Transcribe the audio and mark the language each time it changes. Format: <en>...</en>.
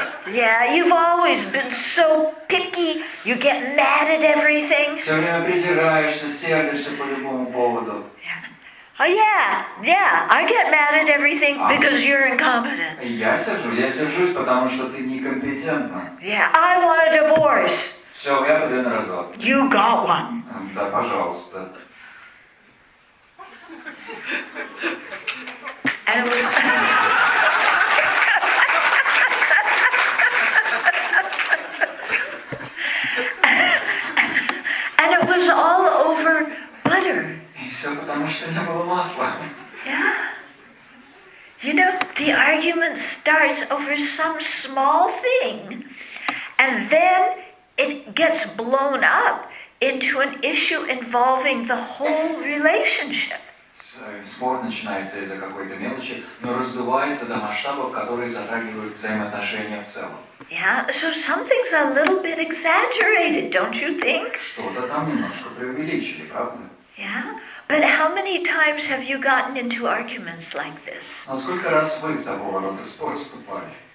<en>Yeah, you've always been so picky. You get mad at everything.</en> <ru>Все время придираешься, сердишься по любому поводу.</ru> <en>Yeah, I get mad at everything because you're incompetent.</en> <ru>Я сержусь, потому что ты некомпетентна.</ru> <en>Yeah, I want a divorce.</en> <ru>Все, я подаю на развод.</ru> <en>You got one.</en> <ru>Да, пожалуйста.</ru> <en>And it was all over butter.</en> <ru>И все потому, что не было масла.</ru> <en>Yeah. You know, the argument starts over some small thing, and then it gets blown up into an issue involving the whole relationship.</en> <ru>Спор начинается из-за какой-то мелочи, но раздувается до масштабов, которые затрагивают взаимоотношения в целом.</ru> <en>Yeah, so something's a little bit exaggerated, don't you think?</en> <ru>Что-то там немножко преувеличили, правда?</ru> <en>Yeah, but how many times have you gotten into arguments like this?</en> <ru>Но сколько раз вы в такого рода спор вступали?</ru>